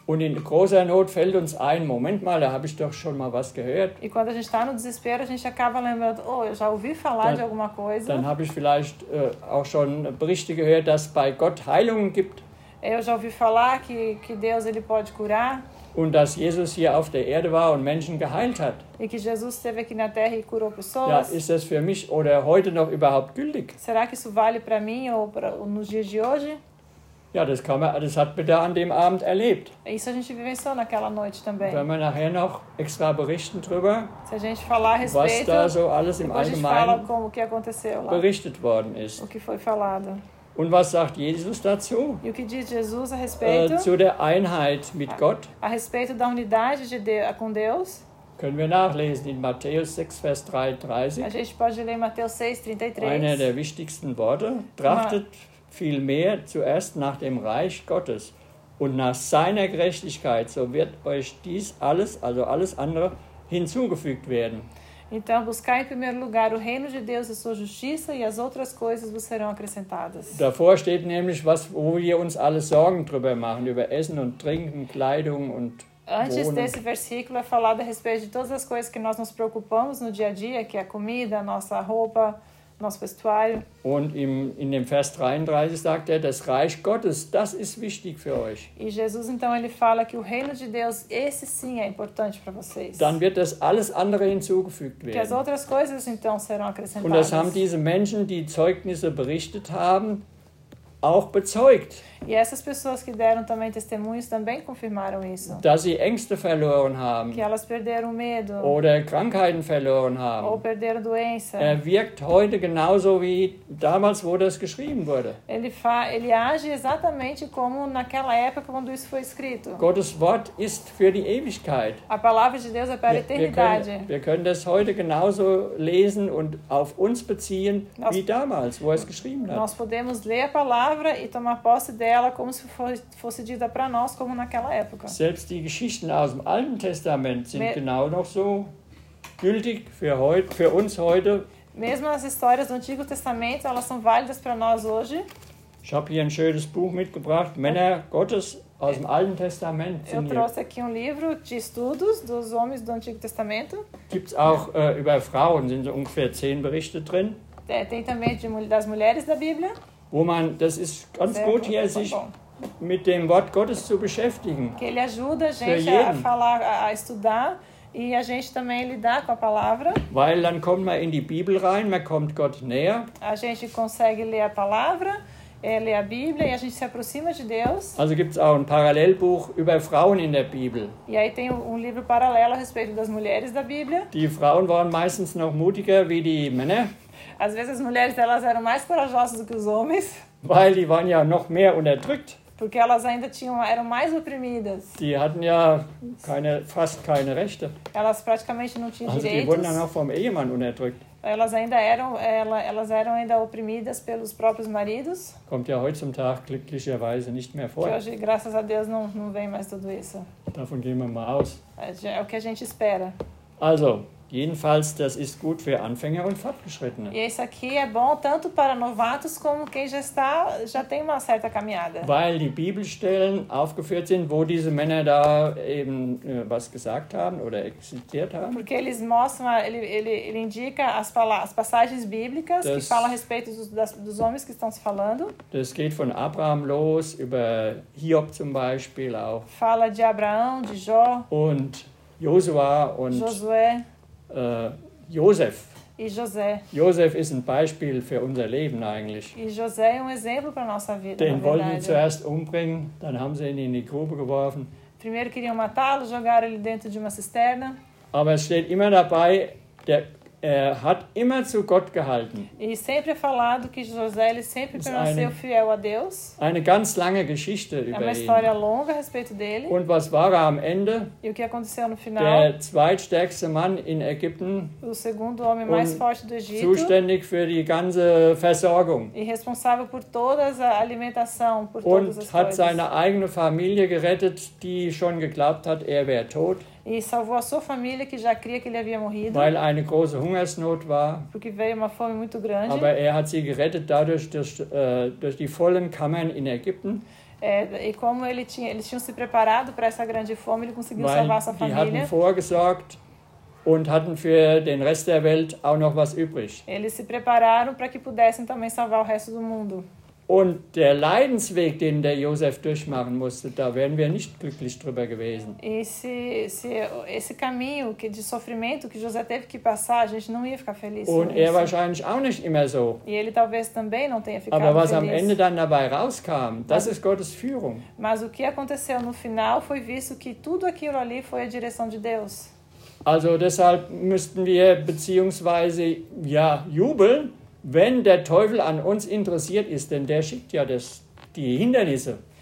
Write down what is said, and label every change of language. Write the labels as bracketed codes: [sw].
[de] Und in großer Not fällt uns ein, Moment mal, da habe ich doch schon mal was gehört. [pt] E quando a gente está no desespero, a gente acaba lembrando, oh, eu já ouvi falar de alguma coisa. [de] Dann habe ich vielleicht auch schon Berichte gehört, dass bei Gott Heilungen gibt. [pt] Eu já ouvi falar que Deus ele pode curar. [de] Und dass Jesus hier auf der Erde war und Menschen geheilt hat. [pt] E que Jesus esteve aqui na Terra e curou pessoas. [de] Ja, ist das für mich oder heute noch überhaupt gültig? [pt] Será que isso vale para mim ou para nos dias de hoje? [de] Ja, das hat man da an dem Abend erlebt. [pt] Isso a gente vivenciou naquela noite também. [de] Wenn wir nachher noch extra berichten drüber, [pt] se a gente falar a respeito, [de] was da so alles im Allgemeinen [pt] como, que aconteceu lá, [de] berichtet worden ist. [pt] O que foi falado. [de] Und was sagt Jesus dazu? [pt] E o que diz Jesus a respeito? [de] Zu der Einheit mit Gott. [pt] A respeito da unidade com Deus. [de] Können wir nachlesen in Matthäus 6, Vers 33. [pt] A gente pode ler Mateus 6, 33. [de] Einer der wichtigsten Worte. Trachtet vielmehr zuerst nach dem Reich Gottes und nach seiner Gerechtigkeit, so wird euch dies alles, also alles andere, hinzugefügt werden. [pt] Então, buscai em primeiro lugar o reino de Deus e sua justiça e as outras coisas vos serão acrescentadas. [de] Davor steht nämlich, wo wir uns alle Sorgen drüber machen, über Essen und Trinken, Kleidung und [pt] Antes [de] Wohnung. [pt] Desse versículo é falado a respeito de todas as coisas que nós nos preocupamos no dia a dia, que é a comida, a nossa roupa, nosso vestuário. [de] Und in dem Vers 33 sagt er, das Reich Gottes, das ist wichtig für euch. [pt] E Jesus então ele fala que o reino de Deus, esse sim é importante para vocês. [de] Dann wird das alles andere hinzugefügt werden. [pt] Que as outras coisas então serão acrescentadas. [de] Und das haben diese Menschen, die Zeugnisse berichtet haben, auch bezeugt. [pt] E essas pessoas que deram também testemunhos também confirmaram isso. [de] Dass sie Ängste verloren haben. [pt] Que elas perderam medo. [de] Oder Krankheiten verloren haben. [pt] Ou perderam doença. [de] Er wirkt heute genauso wie damals, wo das geschrieben wurde. [pt] Ele age exatamente como naquela época quando isso foi escrito. [de] Gottes Wort ist für die Ewigkeit. [pt] A palavra de Deus é para a eternidade. [de] Wir können das heute genauso lesen und auf uns beziehen wie damals, wo es geschrieben hat. [pt] Nós podemos ler a palavra e tomar posse dela como se fosse dita para nós como naquela época. [de] Selbst die Geschichten aus dem Alten Testament sind genau noch so gültig für uns heute. [pt] Mesmo as histórias do Antigo Testamento, elas são válidas para nós hoje. [de] Ich habe hier ein schönes Buch mitgebracht, Männer Gottes aus dem Alten Testament. [pt] Eu trouxe aqui um livro de estudos dos homens do Antigo Testamento. [de] Gibt's auch über Frauen, sind so ungefähr 10 Berichte drin. [pt] Tem também das mulheres da Bíblia. [de] Wo man, das ist ganz sehr gut hier, sich mit dem Wort Gottes zu beschäftigen. [pt] Que ele ajuda a gente a falar, a estudar e a gente também lidar com a palavra. [de] Weil dann kommt man in die Bibel rein, man kommt Gott näher. [pt] A gente consegue ler a palavra, ler a Bíblia e a gente se aproxima de Deus. [de] Also gibt's auch ein Parallelbuch über Frauen in der Bibel. [pt] E aí tem livro paralelo a respeito das mulheres da Bíblia. [de] Die Frauen waren meistens noch mutiger wie die Männer. [pt] Às vezes as mulheres elas eram mais corajosas do que os homens. [de] Weil die waren ja noch mehr unterdrückt. [pt] Porque elas ainda tinham, eram mais oprimidas. [de] Die hatten ja keine, fast keine Rechte. [pt] Elas praticamente não tinham [de] also, [pt] direitos. [de] Die wurden dann auch vom Ehemann unterdrückt. [pt] Elas ainda eram, elas eram ainda oprimidas pelos próprios maridos. [de] Kommt ja heute zum Tag glücklicherweise nicht mehr vor. [pt] Que hoje, graças a Deus, não vem mais tudo isso. [de] Davon gehen wir mal aus. [pt] É o que a gente espera. [de] Also, jedenfalls, das ist gut für Anfänger und Fortgeschrittene. [pt] E isso aqui é bom tanto para novatos como quem já está, já tem uma certa caminhada. [de] Weil die Bibelstellen aufgeführt sind, wo diese Männer da eben was gesagt haben oder existiert haben. [pt] Porque eles mostram, ele indica as passagens bíblicas das, que fala a respeito dos homens que estão se falando. [de] Das geht von Abraham los, über Hiob zum Beispiel auch. [pt] Fala de Abraão, de Jó. [de] Und Josua und [pt] Josué. [de] Josef. [pt] E José. [de] Josef ist ein Beispiel für unser Leben eigentlich. [pt] E José é um exemplo para nossa vida. [de] Den wollten sie zuerst umbringen, dann haben sie ihn in die Grube geworfen. [pt] Primeiro queriam matá-lo, jogaram ele dentro de uma cisterna. [de] Aber es steht immer dabei, er hat immer zu Gott gehalten. [pt] E sempre é falado que José ele sempre permaneceu fiel a Deus. [de] Eine ganz lange Geschichte [pt] é [de] über [pt] uma história longa a respeito dele. [de] Und was war er am Ende? [pt] E o que aconteceu no final? [de] Der zweitstärkste Mann in Ägypten. [pt] O segundo homem mais forte do Egito. [de] Zuständig für die ganze Versorgung. [pt] E responsável por toda a alimentação, por [de] und [pt] todas as [de] und hat [pt] coisas. [de] Seine eigene Familie gerettet, die schon geglaubt hat, er wäre tot. [pt] E salvou a sua família, que já cria que ele havia morrido. [de] Weil eine große Hungersnot war. [pt] Porque veio uma fome muito grande. [de] Aber er hat sie gerettet dadurch, durch die vollen Kammern in Ägypten. [pt] É, e como eles tinham se preparado para essa grande fome, ele conseguiu [de] Weil [pt] salvar a sua família. [de] Die hatten vorgesorgt und hatten für den Rest der Welt auch noch was übrig. [pt] Eles se prepararam para que pudessem também salvar o resto do mundo. [de] Und der Leidensweg, den der Josef durchmachen musste, da wären wir nicht glücklich drüber gewesen. [pt] Esse caminho de sofrimento que José teve que passar, a gente não ia ficar feliz. [de] Und er wahrscheinlich auch nicht immer so. [pt] E ele talvez também não tenha ficado [de] Aber was [pt] feliz. [de] Am Ende dann dabei rauskam, das ist Gottes Führung. [pt] Mas o que aconteceu no final foi visto que tudo aquilo ali foi a direção de Deus. [de] Also deshalb müssten wir beziehungsweise ja jubeln. Wenn der Teufel an uns interessiert ist, denn der schickt ja die Hindernisse.